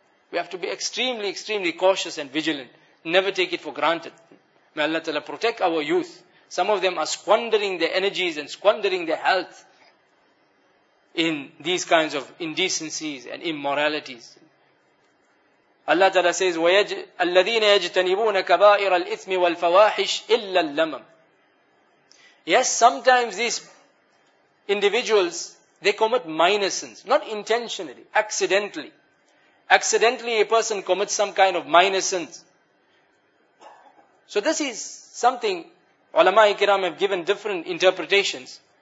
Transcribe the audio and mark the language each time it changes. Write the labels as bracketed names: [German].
[English] We have to be extremely, extremely cautious and vigilant. Never take it for granted. May Allah Ta'ala protect our youth. Some of them are squandering their energies and squandering their health in these kinds of indecencies and immoralities. Allah Ta'ala says, [Arabic] وَالَّذِينَ يَجْتَنِبُونَ كَبَائِرَ الْإِثْمِ وَالْفَوَاحِشِ إِلَّا اللَّمَمِ. [English] Yes, sometimes these individuals, they commit minor sins. Not intentionally, accidentally. Accidentally a person commits some kind of minor sins. So this is something, ulama-i-kiram have given different interpretations.